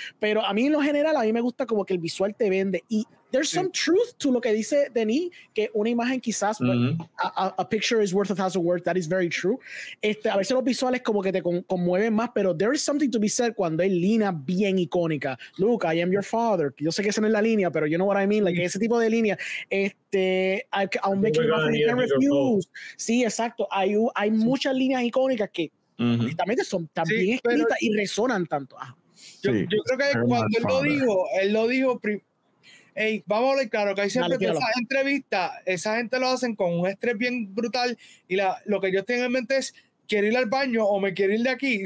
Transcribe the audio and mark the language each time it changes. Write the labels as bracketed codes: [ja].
[es] Pero a mí en lo general, a mí me gusta como que el visual te vende. Y [en] there's some truth to [es] lo que dice Denis, que una imagen quizás, [en] a picture is worth a thousand words, that is very true. [es] A veces los visuales como que te conmueven más, pero [en] there is something to be said [es] cuando hay línea bien icónica. [en] Luke, I am your father. [es] Yo sé que esa no es la línea, pero [en] you know what I mean. [es] Like, ese tipo de línea. [en] I'll make it up and I can refuse. [es] Sí, exacto. Hay muchas líneas icónicas que justamente son también escritas y resonan tanto. Yo creo que cuando él lo dijo primero. Hey, vamos a hablar claro, que hay siempre que esas entrevistas, esa gente lo hacen con un estrés bien brutal y lo que ellos tienen en mente es quiero ir al baño o me quiero ir de aquí.